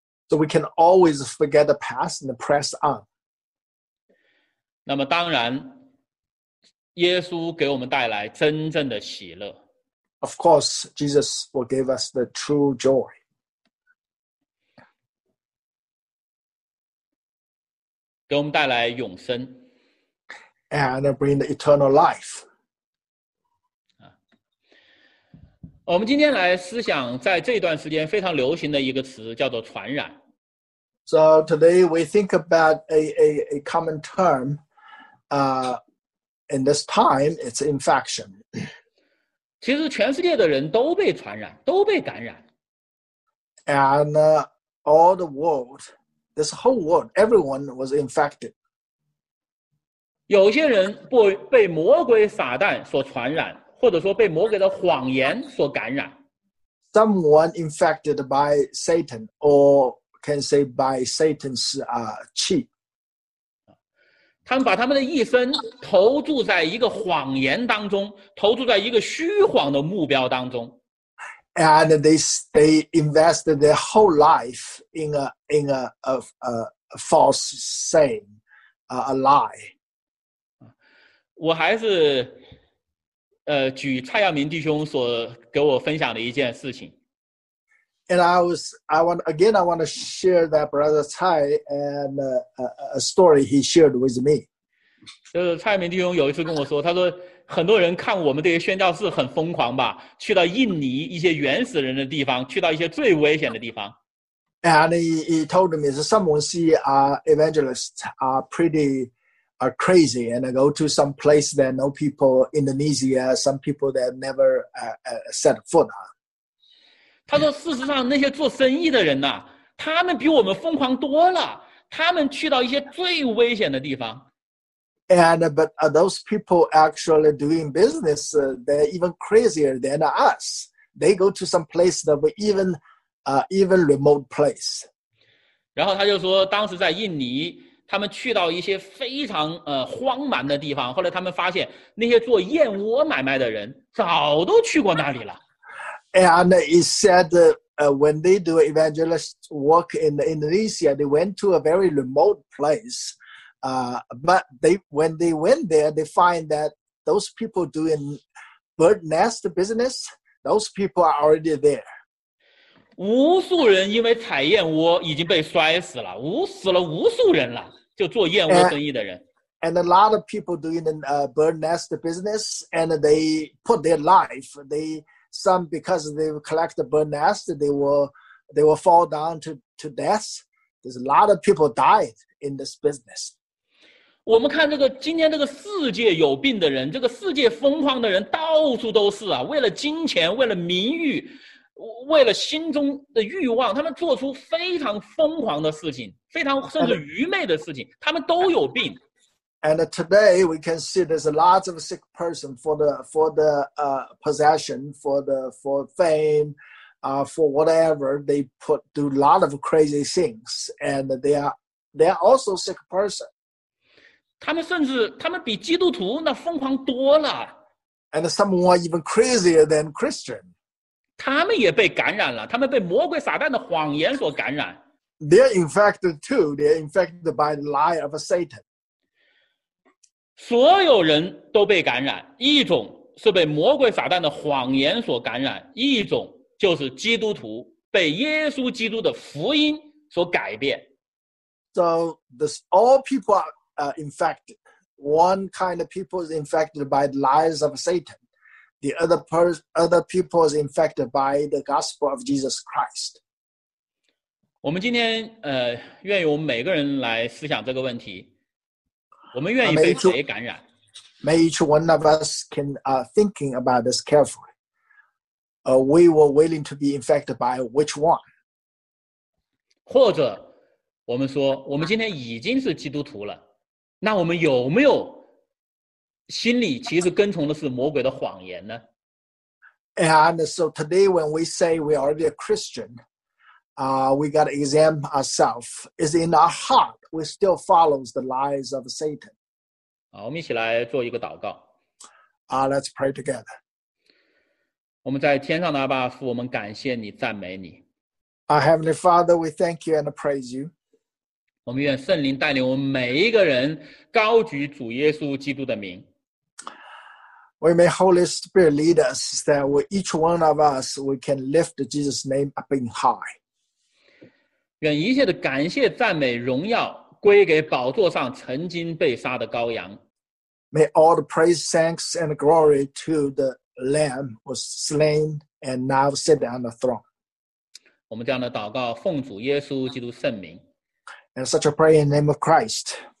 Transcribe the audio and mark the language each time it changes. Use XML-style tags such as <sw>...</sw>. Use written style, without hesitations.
<en>So we can always forget the past and press on.</en> <zh>那么当然，耶稣给我们带来真正的喜乐。</zh> <en>Of course, Jesus will give us the true joy.</en> <zh>给我们带来永生。</zh> <en>And bring the eternal life.</en> <zh>我们今天来思想在这段时间非常流行的一个词，叫做传染。</zh> <en>So today we think about a common term in this time, it's infection.</en> <zh>其实全世界的人都被传染，都被感染。</zh> <en>And all the world, this whole world, everyone was infected.</en> <zh>有些人被魔鬼撒旦所传染，或者说被魔鬼的谎言所感染。</zh> <en>Someone infected by Satan, or can say by Satan's cheat.</en> <zh>他们把他们的一生投注在一个谎言当中，投注在一个虚谎的目标当中。</zh> <en>And they invested their whole life in a false saying, a lie.</en> <zh>我还是举蔡耀明弟兄所给我分享的一件事情。</zh> <en>And I want to share that brother Cai and a story he shared with me.</en> <zh>就是蔡明弟兄有一次跟我说，他说很多人看我们这些宣教士很疯狂吧，去到印尼一些原始人的地方，去到一些最危险的地方。</zh> <en>And he told me that someone see evangelists are pretty crazy and go to some place that no people, Indonesia, some people that never set foot on.</en> <zh>他说事实上那些做生意的人呢、啊、他们比我们疯狂多了，他们去到一些最危险的地方。</zh> <en>And but those people actually doing business, they're even crazier than us. They go to some place that we even, even remote place.</en> <zh>然后他就说，当时在印尼，他们去到一些非常荒蛮的地方。后来他们发现，那些做燕窝买卖的人早都去过那里了。</zh> <en>And he said, when they do evangelist work in Indonesia, they went to a very remote place. But they, when they went there, they find that those people doing bird nest business, those people are already there.</en> <zh>无数人因为采燕窝已经被摔死了，无死了无数人了，就做燕窝生意的人。</zh> <en>And a lot of people doing bird nest business, and they put their life. They, some because they collect the bird nest, they will fall down to death. There's a lot of people died in this business.</en> <zh>我们看这个今天这个世界有病的人，这个世界疯狂的人到处都是啊，为了金钱，为了名誉，为了心中的欲望，他们做出非常疯狂的事情，非常甚至愚昧的事情，他们都有病。</zh> <en>And today we can see there's a lot of sick person for the possession, for fame, for whatever they put, do a lot of crazy things, and they are also sick person.</en> <zh>他们甚至他们比基督徒那疯狂多了。</zh> <en>And some are even crazier than Christian.</en> <zh>他们也被感染了，他们被魔鬼撒旦的谎言所感染。</zh> <en>They're infected too. They're infected by the lie of Satan.</en> <zh>所有人都被感染，一种是被魔鬼撒旦的谎言所感染，一种就是基督徒被耶稣基督的福音所改变。</zh> <en>So this all people are. Infected. One kind of people is infected by the lies of Satan. The other people is infected by the gospel of Jesus Christ.</en> <zh>我们今天愿意我们每个人来思想这个问题。我们愿意被谁感染？</zh> <en>May each one of us can thinking about this carefully. We were willing to be infected by which one?</en> <zh>或者我们说，我们今天已经是基督徒了。那我们有没有心里其实跟从的是魔鬼的谎言呢？</zh> <en>And so today when we say we are already a Christian, we got to examine ourselves. Is in our heart we still follow the lies of Satan?</en> <zh>好，我们一起来做一个祷告。</zh> <en>Let's pray together.</en> <zh>我们在天上的阿爸父，我们感谢你，赞美你。</zh> <en>Our Heavenly Father, we thank you and praise you.</en> <zh>我们愿圣灵带领我们每一个人高举主耶稣基督的名。</zh> <en>We may Holy Spirit lead us that we, each one of us, we can lift Jesus' name up in high.</en> <zh>愿一切的感谢、赞美、荣耀归给宝座上曾经被杀的羔羊。</zh> <en>May all the praise, thanks, and glory to the Lamb who was slain and now sit on the throne.</en> <zh>我们这样的祷告奉主耶稣基督圣名。</zh> <en>And such a prayer in the name of Christ.</en>